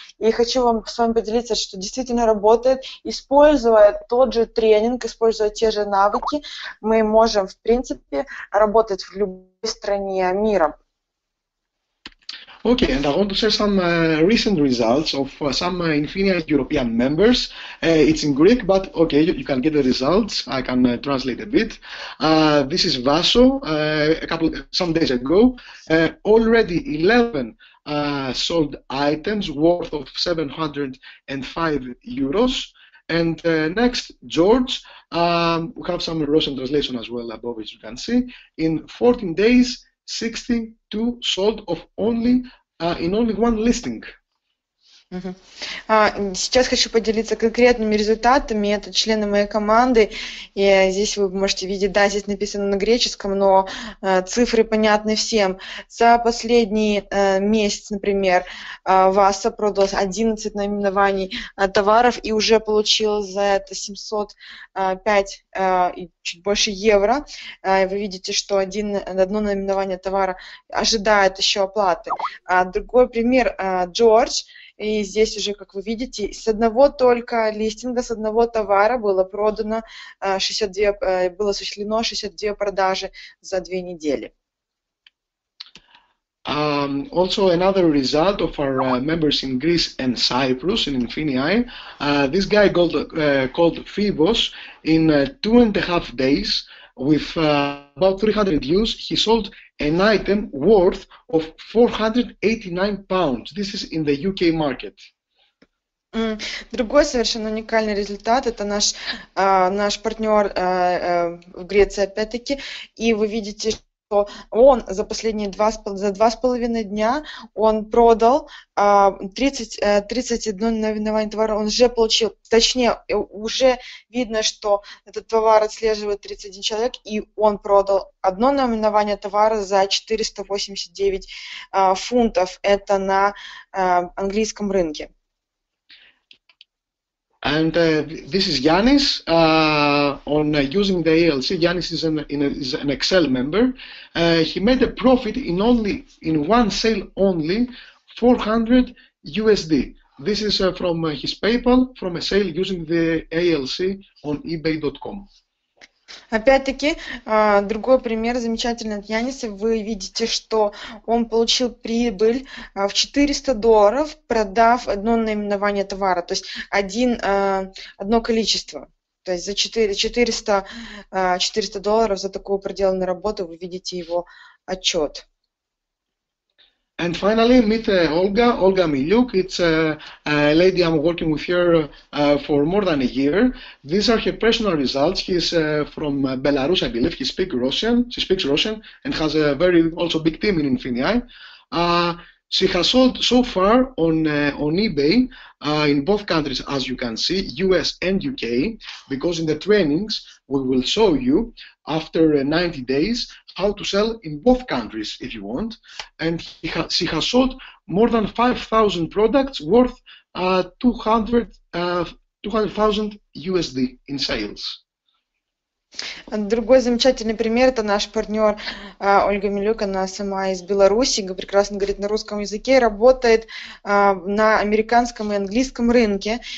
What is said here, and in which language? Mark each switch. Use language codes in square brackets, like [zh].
[ru] И хочу вам с вами поделиться, что действительно работает. Используя тот же тренинг, используя те же навыки, мы можем, в принципе, работать в любой стране мира. [en] Okay, and I want to share some recent results of some Infinii European members. It's in Greek, but okay, you can get the results. I can translate a bit. This is Vaso. Some days ago, already 11 sold items worth of 705 euros. And next, George. We have some Russian translation as well above, as you can see. In 14 days, 62 sold of only. In only one listing. [ru] Сейчас хочу поделиться конкретными результатами. Это члены моей команды. И здесь вы можете видеть, да, здесь написано на греческом, но цифры понятны всем. За последний месяц, например, Васа продал 11 наименований товаров и уже получил за это 705 и чуть больше евро. Вы видите, что одно наименование товара ожидает еще оплаты. Другой пример – Джордж. И здесь уже, как вы видите, с одного только листинга, с одного товара было продано 62, было осуществлено 62 продажи за две недели. [en] Also another result of our members in Greece and Cyprus in Infinii, this guy called Phoebos in 2.5 days with about 300 views, he sold an item worth of 489 pounds. This is in the UK market. [ru] Другой совершенно уникальный результат – это наш партнер в Греции опять-таки. И вы видите, что он за последние два с половиной дня он продал 31 наименование товара, он уже получил, точнее, уже видно, что этот товар отслеживает 31 человек, и он продал одно наименование товара за 489 фунтов, это на английском рынке. [en] And this is Yanis on using the ALC. Yanis is an Excel member. He made a profit in one sale only, 400 USD. This is from his PayPal, from a sale using the ALC on eBay.com. [ru] Опять-таки, другой пример замечательный от Яниса. Вы видите, что он получил прибыль в $400, продав одно наименование товара, то есть одно количество. То есть за $400 за такую проделанную работу вы видите его отчет. [en] And finally, meet Olga Miliuk. It's a lady I'm working with here for more than a year. These are her personal results. She's from Belarus, I believe. She speaks Russian and has a very also big team in Infinii. She has sold so far on eBay in both countries, as you can see, US and UK, because in the trainings we will show you after 90 days how to sell in both countries if you want. And she has sold more than 5,000 products worth 200,000 USD in sales. [ru] Другой замечательный пример – это наш партнер Ольга Милюк, она сама из Беларуси, прекрасно говорит на русском языке, работает на американском и английском рынке.